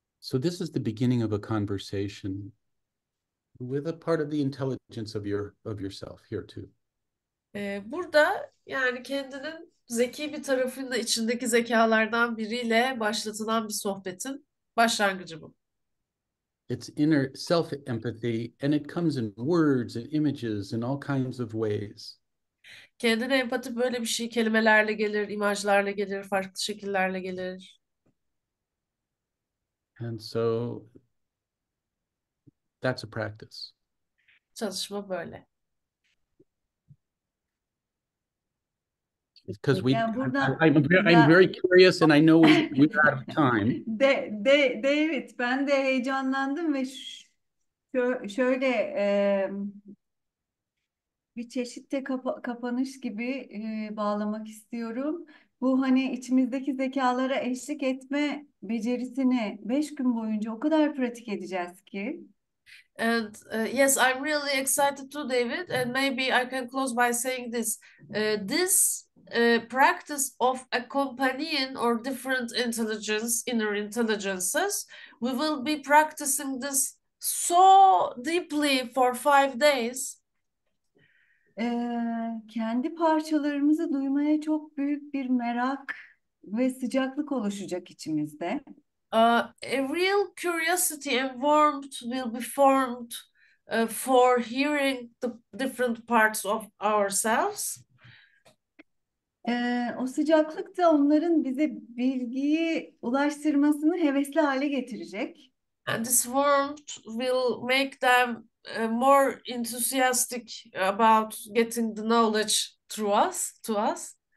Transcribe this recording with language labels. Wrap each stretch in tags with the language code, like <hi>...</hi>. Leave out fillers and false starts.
<en>So this is the beginning of a conversation with a part of the intelligence of yourself here too.</en> <tr>Burada yani kendinin zeki bir tarafının içindeki zekalardan biriyle başlatılan bir sohbetin başlangıcı bu.</tr> <en>It's inner self empathy and it comes in words and images in all kinds of ways.</en> <tr>Kendine empati böyle bir şey kelimelerle gelir, imajlarla gelir, farklı şekillerle gelir.</tr> <en>And so that's a practice.</en> <tr>Çalışma böyle.</tr> <en>Because we,</en> <tr>yani buradan,</tr> <en>I'm very curious and I know we are out of time.</en> <tr>David, ben de heyecanlandım ve şöyle bir çeşitte kapanış gibi bağlamak istiyorum. Bu hani içimizdeki zekalara eşlik etme becerisini 5 gün boyunca o kadar pratik edeceğiz ki.</tr> <en>And yes, I'm really excited too, David. And maybe I can close by saying this. This practice of accompanying or different intelligence, inner intelligences, we will be practicing this so deeply for 5 days.</en> <tr>Kendi parçalarımızı duymaya çok büyük bir merak ve sıcaklık oluşacak içimizde.</tr> <en>A real curiosity and warmth will be formed for hearing the different parts of ourselves.</en> <tr>O sıcaklık da onların bize bilgiyi ulaştırmasını hevesli hale getirecek.</tr> <en>And this warmth will make them more enthusiastic about getting the knowledge through us, to us.</en>